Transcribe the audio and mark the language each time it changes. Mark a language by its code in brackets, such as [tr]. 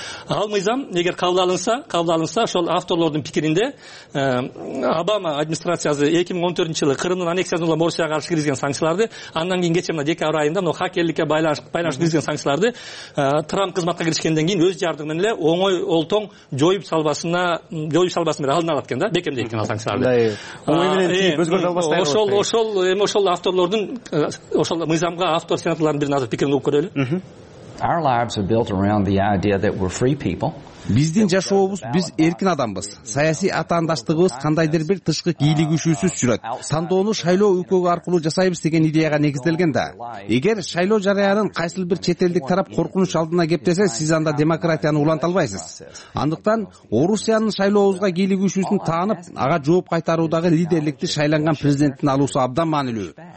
[ky] Ал мыйзам эгер кабыл алынса ошол автордун пикиринде Обама администрациясы 2014 жылы Кырымдын аннексиясына улам Орусияга каршы киргизген санкцияларды андан кийин кечээ мына декабрь айында мына хакерликке байланыштуу киргизген санкцияларды Трамп кызматка киришкенден кийин өз жардыгы менен эле оңой олтоң жоюп салбасына алдын алат экен да бекемдейт экен ал санкцияларды. Оңой менен тийип өзгөртө албастай. Ошол автордун ошол мыйзамга автор сенаторлордун бирин азыр пикирин угуп көрөлү. [en] Our lives are built around the idea that we're free people. [ky] Биздин жашообуз биз эркин адамбыз. Саясий атаандаштыгыбыз кандайдыр бир тышкы ийлигүүсүз жүрөт. Тандоону шайлоо өлкөгө аркылуу жасайбыз деген идеяга негизделген да. Эгер шайлоо жараянын кайсыл бир чет элдик тарап коркунуч алдына кептесе, сиз анда демократияны уланта албайсыз. Андыктан Орусиянын шайлообузга ийлигүүсүн таанып, ага жооп кайтаруудагы лидерликти шайланган президенттин алуусу абдан маанилүү.